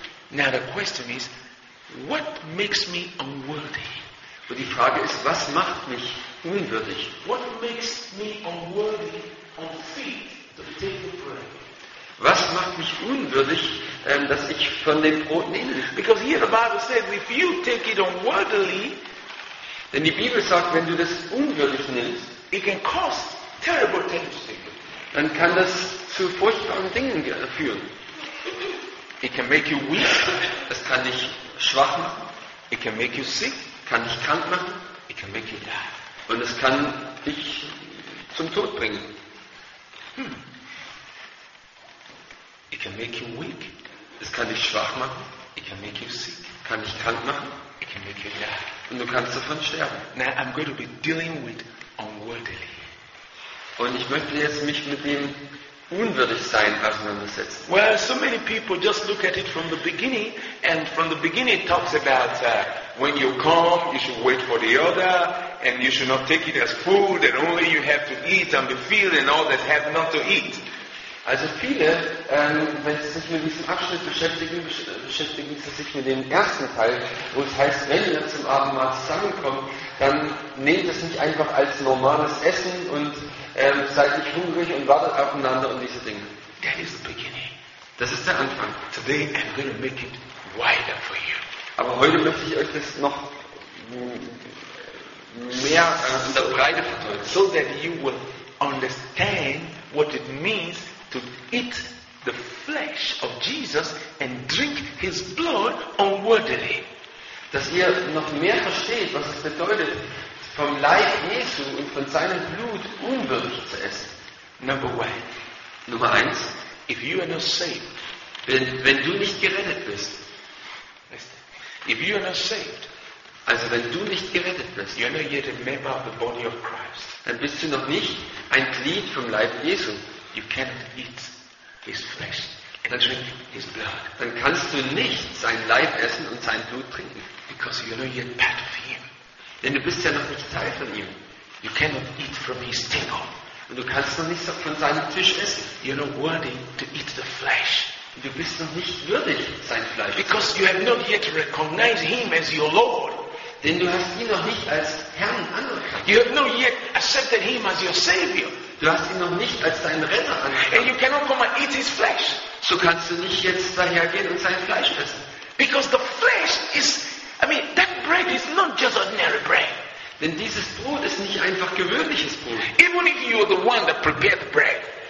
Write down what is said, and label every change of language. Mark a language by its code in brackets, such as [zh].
[en] Now the question is, what makes me unworthy? [de] Und die Frage ist, was macht mich unwürdig? [en] What makes me unworthy on feet to take the bread? [de] Was macht mich unwürdig, dass ich von dem Brot nehme? [en] Because here the Bible says, if you take it unworthily, [de] denn die Bibel sagt, wenn du das unwürdig nimmst, [en] it can cause terrible things. [de] Dann kann das zu furchtbaren Dingen führen. [en] It can make you weak. [de] Es kann dich schwach machen. [en] It can make you sick. [de] Kann dich krank machen. [en] It can make you die. [de] Und es kann dich zum Tod bringen. [en] It can make you weak. [de] Es kann dich schwach machen. [en] It can make you sick. [de] Kann dich krank machen. [en] It can make you die. [de] Und du kannst davon sterben. [en] Now I'm going to be dealing with unworthily. [de] Und ich möchte jetzt mich mit dem unwürdig sein auseinandersetzen. [en] Well, so many people just look at it from the beginning, and from the beginning it talks about when you come, you should wait for the other, and you should not take it as food, and only you have to eat and be filled, and all that have not to eat. [de] Also viele, wenn sie sich mit diesem Abschnitt beschäftigen, beschäftigen sie sich mit dem ersten Teil, wo es heißt, wenn ihr zum Abendmahl zusammenkommt, dann nehmt es nicht einfach als normales Essen und seid nicht hungrig und wartet aufeinander und diese Dinge. [en] That is the beginning. [de] Das ist der Anfang. [en] Today I'm going to make it wider for you. [de] Aber heute möchte ich euch das noch mehr in der Breite verteilen. [en] So that you will understand what it means to eat the flesh of Jesus and drink his blood unworthily. [de] Dass ihr noch mehr versteht, was es bedeutet, vom Leib Jesu und von seinem Blut unwürdig zu essen. [en] Number one. [de] Nummer eins. [en] If you are not saved, [de] wenn du nicht gerettet bist, [en] if you are not saved, [de] also wenn du nicht gerettet bist, [en] you are not yet a member of the body of Christ, [de] dann bist du noch nicht ein Glied vom Leib Jesu. [en] You cannot eat his flesh and drink his blood. [de] Dann kannst du nicht sein Leib essen und sein Blut trinken. [en] Because you're not yet part of him. [de] Denn du bist ja noch nicht Teil von ihm. [en] You cannot eat from his table. [de] Und du kannst noch nicht von seinem Tisch essen. [en] You're not worthy to eat the flesh. [de] Und du bist noch nicht würdig, sein Fleisch. [en] Because you have not yet recognized him as your Lord. [de] Denn du hast ihn noch nicht als Herrn anerkannt. [en] You have not yet accepted him as your Savior. [de] Du hast ihn noch nicht als deinen Retter angenommen. [en] And you cannot come and eat his flesh. [de] So kannst du nicht jetzt dahergehen und sein Fleisch essen. [en] Because the flesh is, I mean, that bread is not just ordinary bread. [de] Denn dieses Brot ist nicht einfach gewöhnliches Brot. [en] Even if you are the one that prepared the bread.